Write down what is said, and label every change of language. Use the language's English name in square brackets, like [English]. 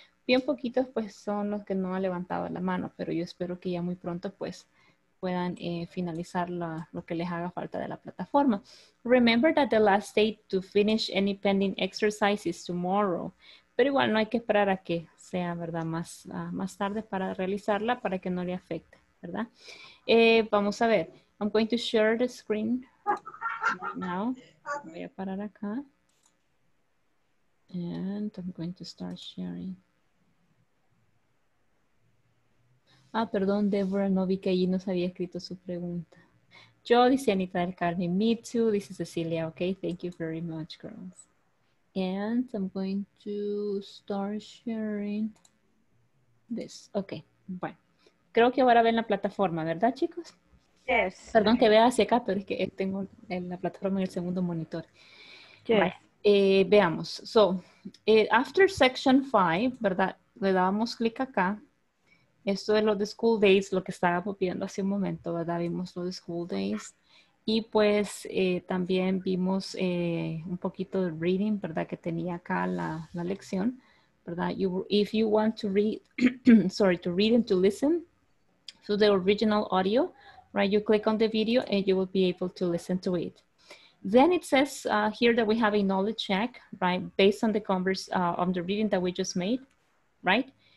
[Spanish] Bien poquitos, pues, son los que no han levantado la mano, pero yo espero que ya muy pronto, pues, puedan finalizar lo que les haga falta de la plataforma. [English] Remember that the last date to finish any pending exercise is tomorrow. [Spanish] Pero igual no hay que esperar a que sea, ¿verdad?, más tarde para realizarla para que no le afecte, ¿verdad? Vamos a ver. [English] I'm going to share the screen now. [Spanish] Voy a parar acá. [English] And I'm going to start sharing. [Spanish] Ah, perdón, Deborah, no vi que allí nos había escrito su pregunta. [English] Yo, dice Anita del Carmen, me too, dice Cecilia, okay, thank you very much, girls. And I'm going to start sharing this, okay, bueno. [Spanish] Creo que ahora ven la plataforma, ¿verdad, chicos? [English] Yes. [Spanish] Perdón que vea hacia acá, pero es que tengo la plataforma en el segundo monitor. [English] Yes. [Spanish] Vale. Veamos, [English] so, after section 5, ¿verdad? [Spanish] Le dábamos clic acá. Esto es lo de school days, lo que estaba pidiendo hace un momento, ¿verdad? Vimos lo de school days. Y pues también vimos un poquito de reading, ¿verdad? Que tenía acá la lección, ¿verdad? [English] If you want to read, sorry, to read and to listen to the original audio, right? You click on the video and you will be able to listen to it. Then it says here that we have a knowledge check, right? Based on the on the reading that we just made, right?